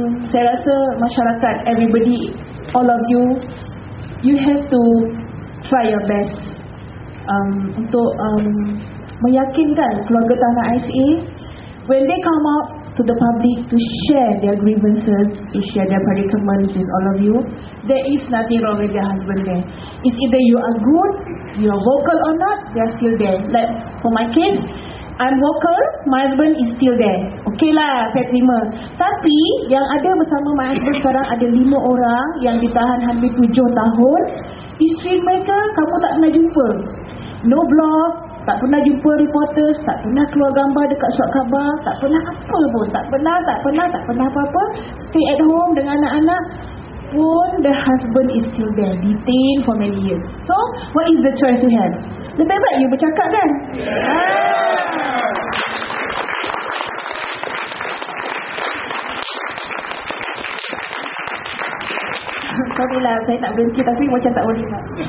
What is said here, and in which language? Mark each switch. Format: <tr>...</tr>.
<ms>Saya rasa masyarakat,</ms> <en>everybody, all of you, you have to try your best</en> <ms>untuk meyakinkan keluarga tanah ICA</ms> <en>when they come up to the public to share their grievances, to share their predicaments with all of you. There is nothing wrong with their husband there. It's either you are good, you are vocal or not, they are still there. Like for my kids, I'm vocal, my husband is still there. Okay.</en> <ms>Okey lah, saya terima. Tapi yang ada bersama</ms> <en>my husband</en> <ms>sekarang ada 5 orang yang ditahan hampir 7 tahun. Isteri mereka kamu tak pernah jumpa.</ms> <en>No blog,</en> <ms>tak pernah jumpa reporters, tak pernah keluar gambar dekat surat khabar, tak pernah apa pun, tak pernah apa-apa.</ms> <en>Stay at home</en> <ms>dengan anak-anak.</ms> <en>Pun the husband is still there, detained for many years. So, what is the choice you have?</en> <ms>Lebih baik you bercakap kan? Yeah. Sorry lah, saya nak berhenti tapi macam tak boleh lah.</ms>